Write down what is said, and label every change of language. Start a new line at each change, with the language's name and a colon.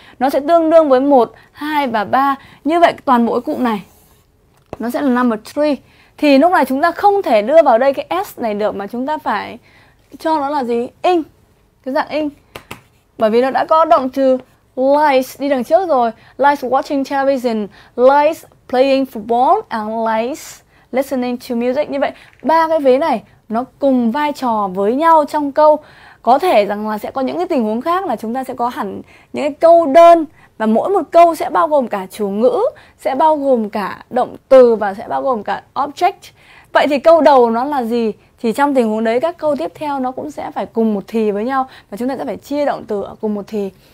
Vietnamese: Nó sẽ tương đương với 1, 2 và 3. Như vậy toàn bộ cái cụm này nó sẽ là number 3. Thì lúc này chúng ta không thể đưa vào đây cái S này được. Mà chúng ta phải cho nó là gì? In. Cái dạng in. Bởi vì nó đã có động từ likes đi đằng trước rồi.
English: Likes watching television. Likes playing football. And likes listening to music.
Vietnamese: Như vậy ba cái vế này nó cùng vai trò với nhau trong câu. Có thể rằng là sẽ có những cái tình huống khác là chúng ta sẽ có hẳn những cái câu đơn và mỗi một câu sẽ bao gồm cả chủ ngữ, sẽ bao gồm cả động từ và sẽ bao gồm cả object. Vậy thì câu đầu nó là gì? Thì trong tình huống đấy các câu tiếp theo nó cũng sẽ phải cùng một thì với nhau và chúng ta sẽ phải chia động từ ở cùng một thì.